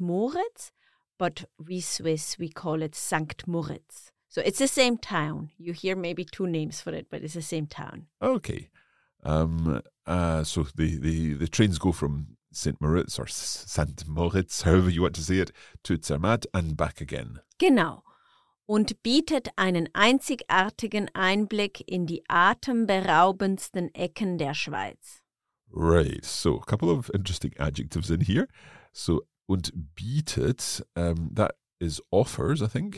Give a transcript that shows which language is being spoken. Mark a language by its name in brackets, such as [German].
[English] Moritz, but we Swiss, we call it St. Moritz. So it's the same town. You hear maybe two names for it, but it's the same town. Okay. So the trains go from St. Moritz or St. Moritz, however you want to say it, to Zermatt and back again. [German] Genau. Und bietet einen einzigartigen Einblick in die atemberaubendsten Ecken der Schweiz. [English] Right. So a couple of interesting adjectives in here. So, [German] und bietet, [English] that is offers, I think.